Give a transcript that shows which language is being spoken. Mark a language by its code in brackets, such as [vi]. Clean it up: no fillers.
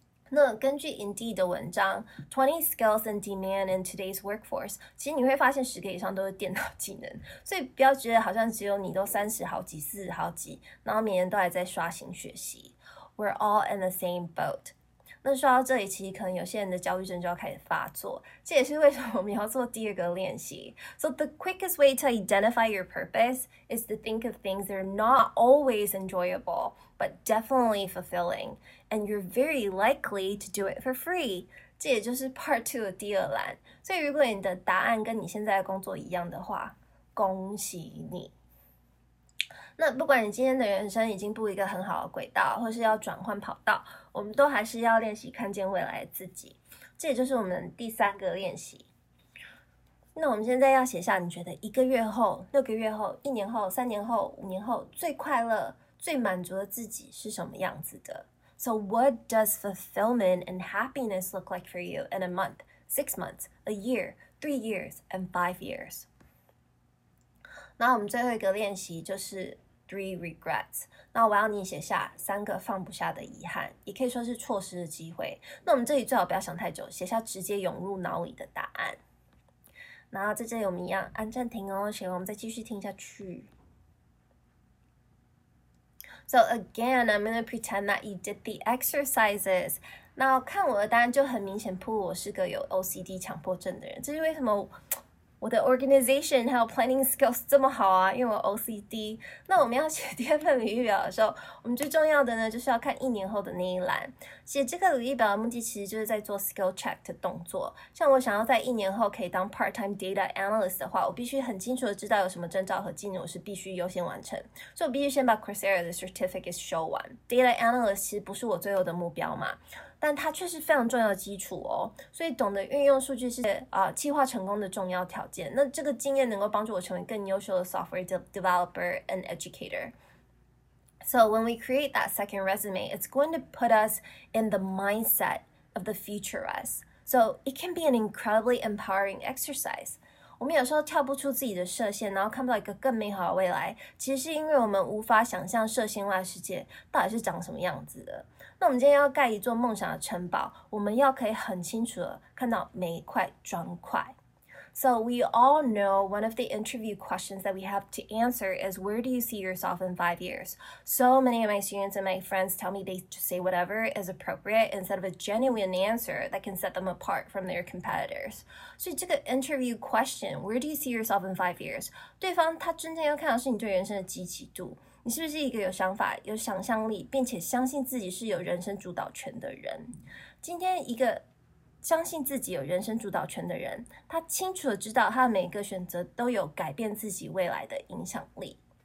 [zh] 那根据 Indeed 的文章 [en] 20 skills and demand in today's workforce， [zh] 其实你会发现10个以上都是电脑技能，所以不要觉得好像只有你都30好几40好几，然后每年都还在刷新学习。 [en] We're all in the same boat。 [zh] 那说到这里，其实可能有些人的焦虑症就要开始发作，这也是为什么我们要做第二个练习。 [en] So the quickest way to identify your purpose is to think of things that are not always enjoyable but definitely fulfilling。 And you're very likely to do it for free. [zh] 这也就是 part 2的第二栏。所以如果你的答案跟你现在的工作一样的话，恭喜你。那不管你今天的人生已经步一个很好的轨道，或是要转换跑道，我们都还是要练习看见未来的自己。这也就是我们第三个练习。那我们现在要写下你觉得一个月后、六个月后、一年后、三年后、五年后最快乐、最满足的自己是什么样子的。 [en] So what does fulfillment and happiness look like for you in a month, 6 months, a year, 3 years, and 5 years? [zh] 那我们最后一个练习就是 three regrets。那我要你写下三个放不下的遗憾，也可以说是错失的机会。那我们这里最好不要想太久，写下直接涌入脑里的答案。然后在这里我们一样按暂停哦，写完我们再继续听下去。 [en] So again, I'm going to pretend that you did the exercises. [zh] 那看我的答案就很明显铺我是个有 OCD 强迫症的人。这是为什么我的 organization 还有 planning skills 这么好啊，因为我 OCD。那我们要写第二份履历表的时候，我们最重要的呢就是要看一年后的那一栏。写这个履历表的目的其实就是在做 skill check 的动作。像我想要在一年后可以当 part-time data analyst 的话，我必须很清楚的知道有什么证照和技能我是必须优先完成，所以我必须先把 Coursera 的 certificates show 完。 data analyst 其实不是我最后的目标嘛，但它却是非常重要的基础哦，所以懂得运用数据是企划成功的重要条件。那这个经验能够帮助我成为更优秀的 [en] software developer and educator。 So when we create that second resume, it's going to put us in the mindset of the future us. So it can be an incredibly empowering exercise. [zh] 我们有时候跳不出自己的设限，然后看不到一个更美好的未来，其实是因为我们无法想象设限外的世界到底是长什么样子的。那我们今天要盖一座梦想的城堡，我们要可以很清楚的看到每一块砖块。 [en] So we all know one of the interview questions that we have to answer is where do you see yourself in 5 years? So many of my students and my friends tell me they just say whatever is appropriate instead of a genuine answer that can set them apart from their competitors. [zh] 所以这个 [en] interview question, where do you see yourself in 5 years? [zh] 对方他真正要看到是你对人生的积极度，你是不是一个有想法、有想象力，并且相信自己是有人生主导权的人？今天一个相信自己有人生主导权的人，他清楚的知道他的每一个选择都有改变自己未来的影响力。